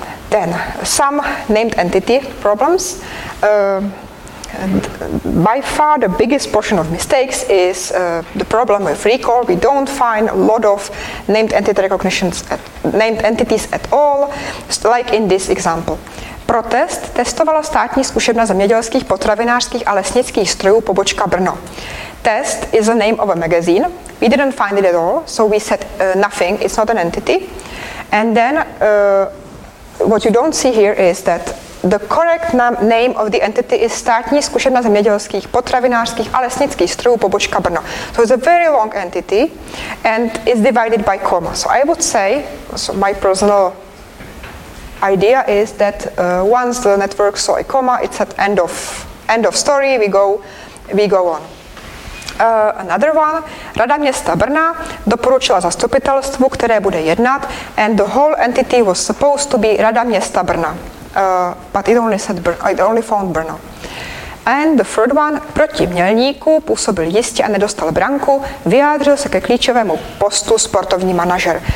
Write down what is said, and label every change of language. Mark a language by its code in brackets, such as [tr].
[en] Then, some named entity problems. By far the biggest portion of mistakes is the problem with recall. We don't find a lot of named entity recognitions, named entities at all, like in this example. [cs] Protest testovala státní zkušebna zemědělských, potravinářských a lesnických strojů pobočka Brno. [en] Test is the name of a magazine. We didn't find it at all, so we said nothing, it's not an entity. And then what you don't see here is that the correct name of the entity is Státní zkušebna zemědělských, potravinářských a lesnických strojů pobočka Brno. So it's a very long entity and it's divided by comma. So I would say, so my personal idea is that once the network saw a comma, it's at end of story, we go on. Another one, [cs] Rada města Brna doporučila zastupitelstvu, které bude jednat, [en] and the whole entity was supposed to be Rada města Brna. But it only said Brno, it only found Brno. And the third one, [cs] proti Mělníku působil jistě a nedostal branku, vyjádřil se ke klíčovému postu sportovní manažer.